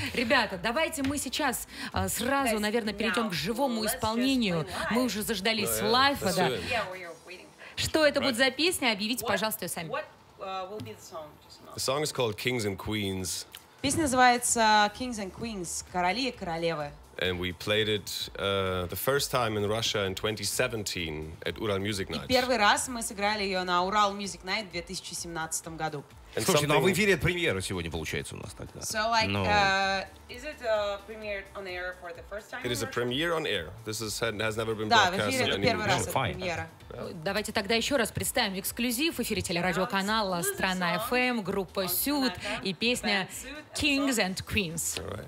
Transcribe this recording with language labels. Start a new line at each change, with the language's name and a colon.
Russian: Ребята, давайте мы сейчас сразу, наверное, перейдем к живому исполнению. Мы уже заждались лайфа, да. Что это будет за песня? Объявите, пожалуйста, ее сами.
English: The song is called Kings and Queens.
Russian: Песня называется Kings and Queens, Короли и Королевы.
English: And we played it the first time in Russia in 2017 at Ural Music Night.
Russian: И первый раз мы сыграли ее на Ural Music Night в 2017 году.
English: And
Russian: Слушайте, ну а в эфире это премьера сегодня получается у нас тогда.
English: So like, no. Is it a premiere on air for the first time? It is a premiere on air. This is, has never been
Russian: да,
English: broadcast.
Russian: Да, в эфире это первый раз, это премьера. Давайте тогда еще раз представим эксклюзив в эфире телерадиоканала Страна FM, группа Сюд и песня Kings and Queens.